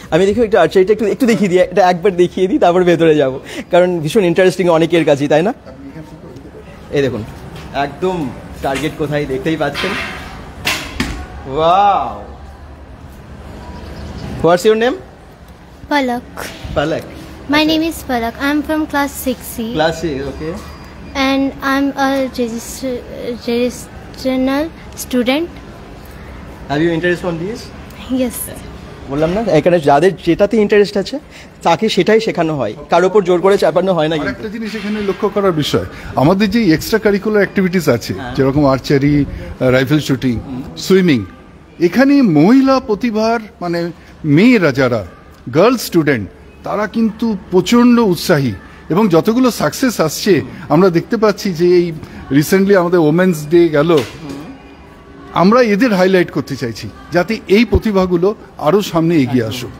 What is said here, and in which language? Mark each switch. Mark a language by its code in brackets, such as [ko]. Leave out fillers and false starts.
[bn] আমি দেখো একটু আর্চারিটা একটু একটু দেখিয়ে দিই, এটা একবার দেখিয়ে দিই তারপর ভেতরে যাব, কারণ ভীষণ ইন্টারেস্টিং অনেকের কাছেই, তাই না? এই দেখুন একদম টার্গেট কোথায় দেখতেই পাচ্ছেন। [en] Wow, what's your name? Palak. Palak, my name is Palak, I am from class 6 C. Class 6, okay. And I'm a registered student. Have you interest on this? Yes. [bn] বললাম না, এখানে যাদের যেটাতে ইন্টারেস্ট আছে তাকে সেটাই শেখানো হয়, কার উপর জোর করে চাপানো হয় না। একটা জিনিস এখানে লক্ষ্য করার বিষয়, আমাদের যে এক্সট্রা কারিকুলার অ্যাক্টিভিটিস আছে যেরকম আর্চারি, রাইফেল শুটিং, সুইমিং, এখানে মহিলা প্রতিভার মানে মেয়েরা যারা গার্লস স্টুডেন্ট তারা কিন্তু প্রচণ্ড উৎসাহী, এবং যতগুলো সাকসেস আসছে আমরা দেখতে পাচ্ছি যে এই রিসেন্টলি আমাদের ওমেন্স ডে গেল, আমরা এদের হাইলাইট করতে চাইছি যাতে এই প্রতিভাগুলো আরও সামনে এগিয়ে আসুক।